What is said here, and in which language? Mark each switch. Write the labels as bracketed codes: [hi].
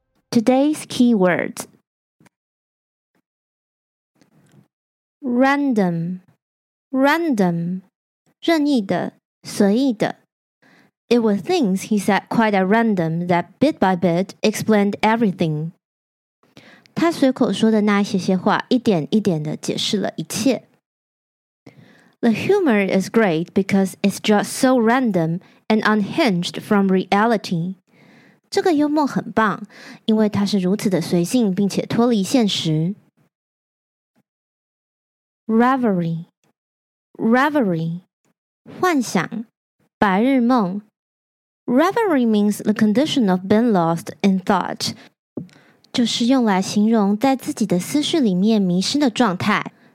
[en] Today's keywords: Random. Random. [zh] 任意的，随意的。 [en] It were things he said quite at random that bit by bit explained everything. [zh] 他随口说的那些些话一点一点地解释了一切。 [en] The humor is great because it's just so random and unhinged from reality. [zh] 这个幽默很棒，因为它是如此的随性并且脱离现实。 Reverie. Reverie. 幻想，白日梦。 [en] Reverie means the condition of being lost in thought， [zh] 就是用来形容在自己的思绪里面迷失的状态。